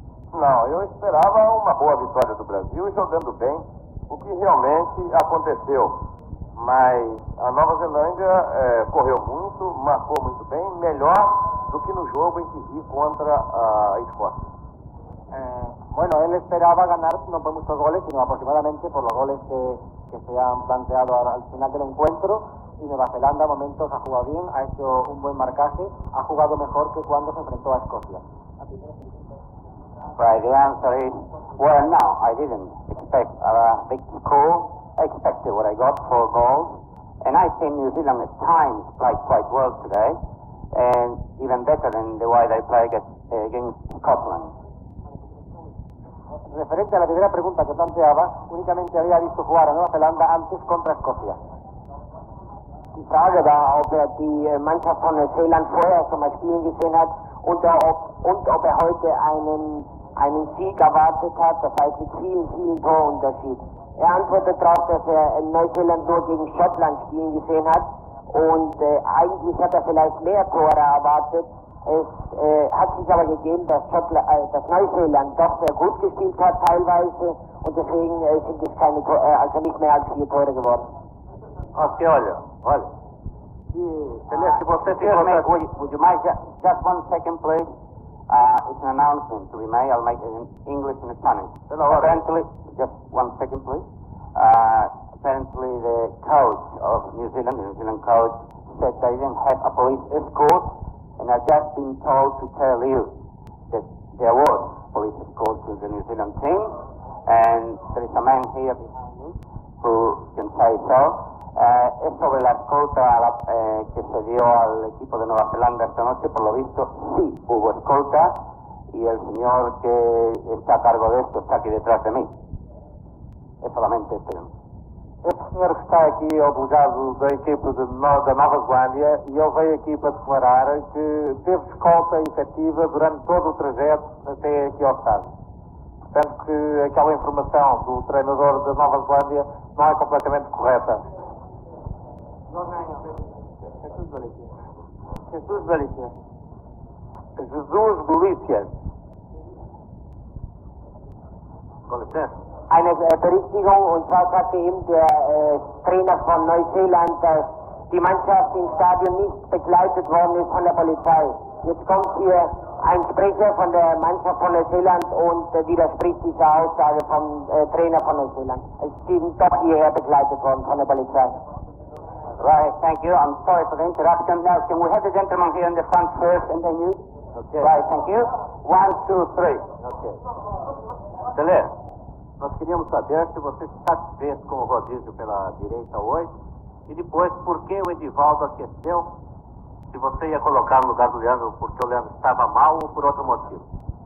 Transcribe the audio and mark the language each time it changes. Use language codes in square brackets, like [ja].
[pt] Não, eu esperava uma boa vitória do Brasil e jogando bem, o que realmente aconteceu. Mas a Nova Zelândia correu muito, marcou muito bem, melhor do que no jogo em que vi contra a Escócia. [es] Bueno, él esperaba ganar no por muchos goles, sino aproximadamente por los goles que se han planteado al final del encuentro. Y Nueva Zelanda a momentos ha jugado bien, ha hecho un buen marcaje, ha jugado mejor que cuando se enfrentó a Escocia. [en] Right, the answer is, well, no, I didn't expect a big score. I expected what I got, 4 goals. And I think New Zealand at times played quite well today, and even better than the way they played against Scotland. [es] Referente a la primera pregunta que planteaba, únicamente había visto jugar a Nueva Zelanda antes contra Escocia. Quizás era obvio que la [de] Mannschaft von Neuseeland vorher schon mal spielen gesehen hat und ob heute einen Sieg erwartet hat, das heißt mit vielen, vielen Torunterschied. Antwortet darauf, dass in Neuseeland nur gegen Schottland spielen gesehen hat und eigentlich hat vielleicht mehr Tore erwartet. Es hat sich aber gegeben, dass Neuseeland doch sehr gut gespielt hat teilweise und deswegen sind es keine also nicht mehr als 4 Tore geworden. [pt] Okay, olha, olha. [en] Would you mind just 1 second, please? It's an announcement to be made. I'll make it in English and Spanish. Hello, apparently, just 1 second, please. Apparently, the coach of New Zealand coach, said they didn't have a police escort. And I've just been told to tell you that there was police escort to the New Zealand team. And there is a man here behind me who can say so. [es] Es sobre la escolta que se dio al equipo de Nueva Zelanda esta noche. Por lo visto, sí hubo escolta. Y el señor que está a cargo de esto está aquí detrás de mí. Es solamente este. [pt] Este senhor que está aqui é o delegado da equipe da Nova Zelândia e ele veio aqui para declarar que teve escolta efetiva durante todo o trajeto até aqui ao estádio. Portanto, que aquela informação do treinador da Nova Zelândia não é completamente correta. Jesus Galicia. Com licença. [de] Eine Berichtigung, und zwar sagte ihm der Trainer von Neuseeland, dass die Mannschaft im Stadion nicht begleitet worden ist von der Polizei. Jetzt kommt hier ein Sprecher von der Mannschaft von Neuseeland und widerspricht dieser Aussage vom Trainer von Neuseeland. Es ist eben doch hierher begleitet worden von der Polizei. [en] Right, thank you. I'm sorry for the interruption. Now, can we have the gentleman here in the front first and then you? Okay. Right, thank you. 1, 2, 3. Okay. Tele. [pt] Nós queríamos saber se você se satisfez com o rodízio pela direita hoje e depois por que o Edivaldo aqueceu, se você ia colocar no lugar do Leandro porque o Leandro estava mal ou por outro motivo.